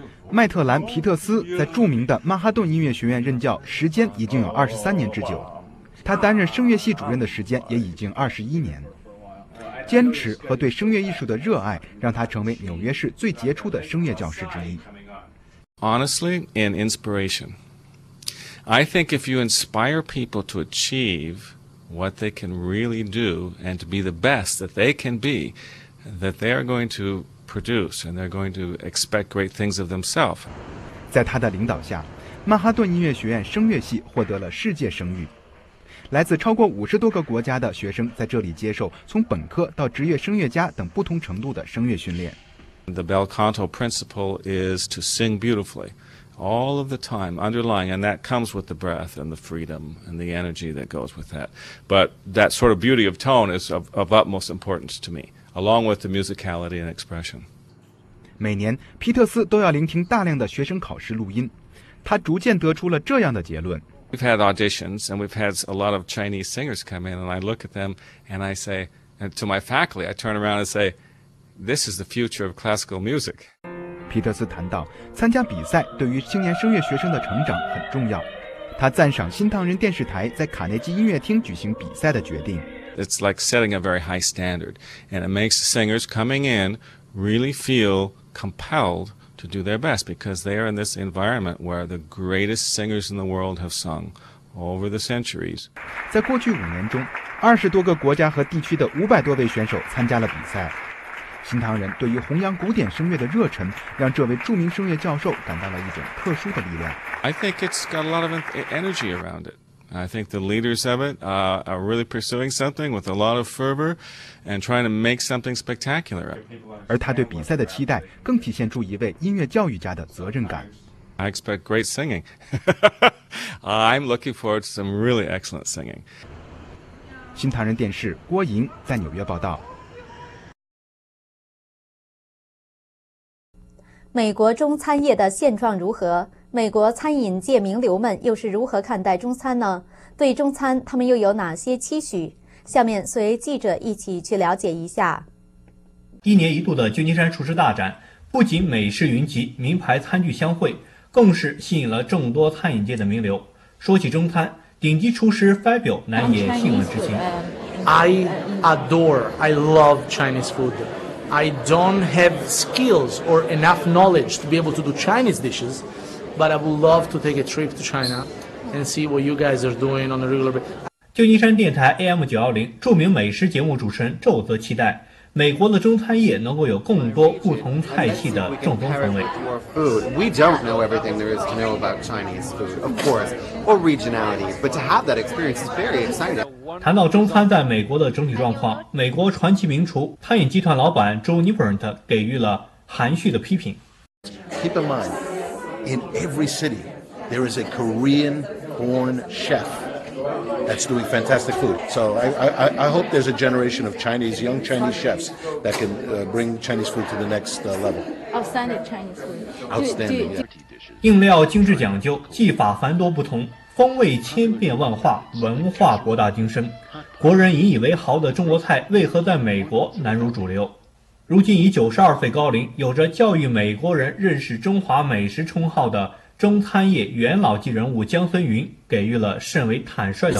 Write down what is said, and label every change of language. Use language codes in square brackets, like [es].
[zh] 麦特兰·皮特斯在著名的曼哈顿音乐学院任教时间已经有23年之久，他担任声乐系主任的时间也已经21年。坚持和对声乐艺术的热爱让他成为纽约市最杰出的声乐教师之一。 [en] Honestly and inspiration. I think if you inspire people to achieve what they can really do and to be the best that they can be, that they are going to produce and they're going to expect great things of themselves. [zh] 在他的领导下，曼哈顿音乐学院声乐系获得了世界声誉。来自超过50多个国家的学生在这里接受从本科到职业声乐家等不同程度的声乐训练。 [en] The bel canto principle is to sing beautifully, all of the time, underlying, and that comes with the breath and the freedom and the energy that goes with that. But that sort of beauty of tone is of utmost importance to me, along with the musicality and expression. [zh] 每年，皮特斯都要聆听大量的学生考试录音，他逐渐得出了这样的结论。 [en] We've had auditions and we've had a lot of Chinese singers come in and I look at them and I say, and to my faculty, I turn around and say, this is the future of classical music. [zh] 皮特斯谈到，参加比赛对于青年声乐学生的成长很重要。他赞赏新唐人电视台在卡内基音乐厅举行比赛的决定。 [en] It's like setting a very high standard and it makes singers coming in really feel compelled. To do their best because they are in this environment where the greatest singers in the world have sung over the centuries. [zh] 在过去5年中，20多个国家和地区的500多位选手参加了比赛。新唐人对于弘扬古典声乐的热忱，让这位著名声乐教授感到了一种特殊的力量。 [en] I think it's got a lot of energy around it. I think the leaders of it are really pursuing something with a lot of fervor and trying to make something spectacular. [zh] 而他对比赛的期待，更体现出一位音乐教育家的责任感。 [en] I expect great singing. I'm looking forward to some really excellent singing. [zh] 新唐人电视郭莹在纽约报道。美国中餐业的现状如何？美国餐饮界名流们又是如何看待中餐呢？对中餐，他们又有哪些期许？下面随记者一起去了解一下。一年一度的旧金山厨师大展，不仅美食云集，名牌餐具相会，更是吸引了众多餐饮界的名流。说起中餐，顶级厨师 Fabio 难掩兴奋之情。 [en] I love Chinese food. I don't have skills or enough knowledge to be able to do Chinese dishes, but I would love to take a trip to China and see what you guys are doing on a regular basis. [zh] 旧金山电台 AM 920著名美食节目主持人皱泽期待美国的中餐业能够有更多不同菜系的正宗风味。 [en] We don't know everything there is to know about Chinese food, of course, or regionality, but to have that experience is very exciting. [zh] 谈到中餐在美国的整体状况，美国传奇名厨餐饮集团老板 Joe Nippert 给予了含蓄的批评。 [en] Keep in mind, in every city, there is a Korean-born chef that's doing fantastic food. So I hope there's a generation of Chinese, young Chinese chefs that can bring Chinese food to the next level. Outstanding Chinese food. Outstanding. [zh] 应料精致讲究，技法繁多不同。风味千变万化，文化博大精深，国人引以为豪的中国菜为何在美国难如主流？如今以92岁高龄，有着教育美国人认识中华美食称号的中餐业元老级人物江森云给予了甚为坦率的